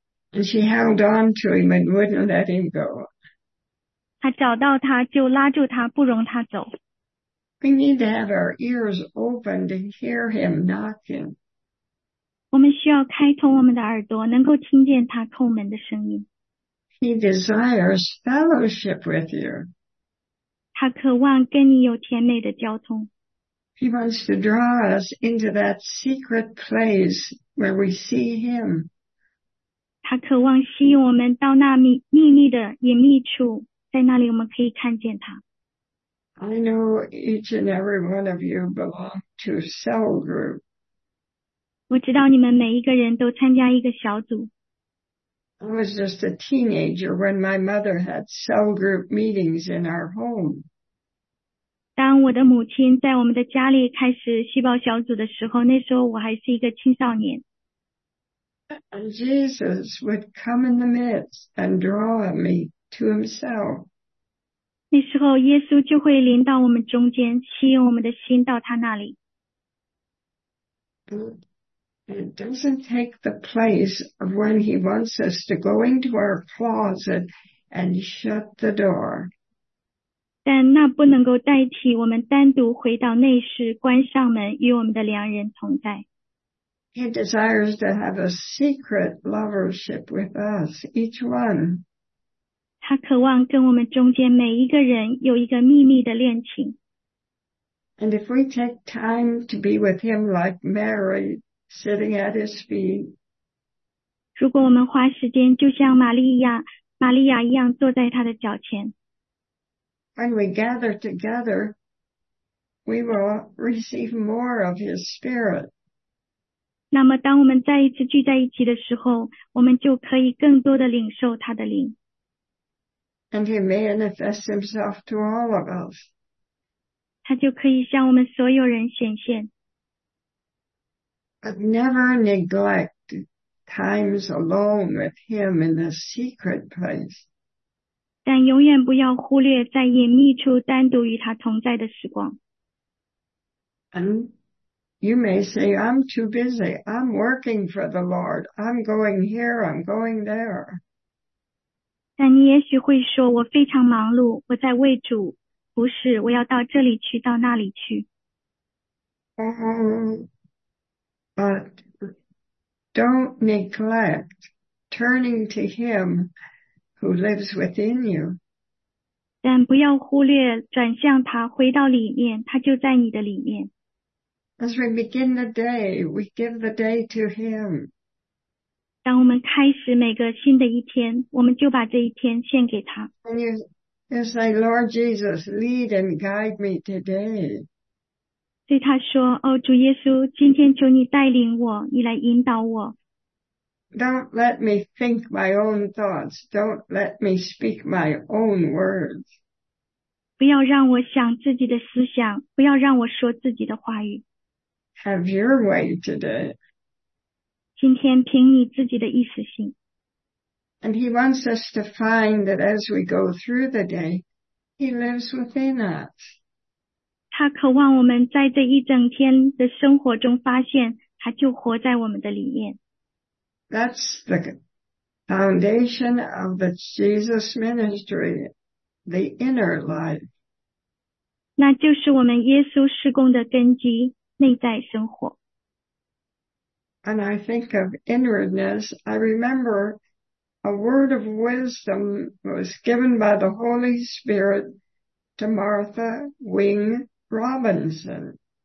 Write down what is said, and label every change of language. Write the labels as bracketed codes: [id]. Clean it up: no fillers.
[en] And she held on to him and wouldn't let him go. [zh] 她找到他就拉住他，不容他走。 [en] We need to have our ears open to hear him knocking. [zh] 我们需要开通我们的耳朵，能够听见他叩门的声音。 [en] He desires fellowship with you. [zh] 他渴望跟你有甜美的交通。 [en] He wants to draw us into that secret place where we see him. [zh] 他渴望吸引我们到那秘密的隐秘处，在那里我们可以看见他。 [en] I know each and every one of you belong to a cell group. [zh] 我知道你们每一个人都参加一个小组。 [en] I was just a teenager when my mother had cell group meetings in our home. [zh] 当我的母亲在我们的家里开始细胞小组的时候，那时候我还是一个青少年。 [en] And Jesus would come in the midst and draw me to himself. [zh] 那时候耶稣就会临到我们中间，吸引我们的心到他那里。 [en] It doesn't take the place of when he wants us to go into our closet and shut the door. [zh] 但那不能够代替我们单独回到内室，关上门，与我们的良人同在。 [en] He desires to have a secret lovership with us, each one. [zh] 他渴望跟我们中间每一个人有一个秘密的恋情。 [en] And if we take time to be with him like Mary, sitting at his feet. [zh] 如果我们花时间就像玛利亚一样坐在他的脚前。 [en] When we gather together, we will receive more of his spirit. [zh] 那么当我们再一次聚在一起的时候，我们就可以更多的领受他的灵。 [en] And he manifests himself to all of us. [zh] 他就可以向我们所有人显现。 [en] But never neglect times alone with him in a secret place. [zh] 但永远不要忽略在隐秘处单独与他同在的时光。 [en] And you may say, I'm too busy. I'm working for the Lord. I'm going here. I'm going there. [zh] 但你也许会说，我非常忙碌，我在为主服事，我要到这里去，到那里去。 [en] But don't neglect turning to him who lives within you. [zh] 但不要忽略转向他，回到里面，他就在你的里面。 [en] As we begin the day, we give the day to him. [zh] 当我们开始每个新的一天，我们就把这一天献给他。 [en] And you say, Lord Jesus, lead and guide me today. [zh] 对他说，哦，主耶稣，今天求你带领我，你来引导我。 [en] Don't let me think my own thoughts. Don't let me speak my own words. [zh] 不要让我想自己的思想，不要让我说自己的话语。 [en] Have your way today. [zh] 今天凭你自己的意思行。 [en] And he wants us to find that as we go through the day, he lives within us. [zh] 他渴望我们在这一整天的生活中发现，他就活在我们的里面。 [en] That's the foundation of the Jesus ministry, the inner life. [zh] 那就是我们耶稣事工的根基，内在生活。 [en] And I think of innerness, I remember a word of wisdom was given by the Holy Spirit to Martha Wing Robinson.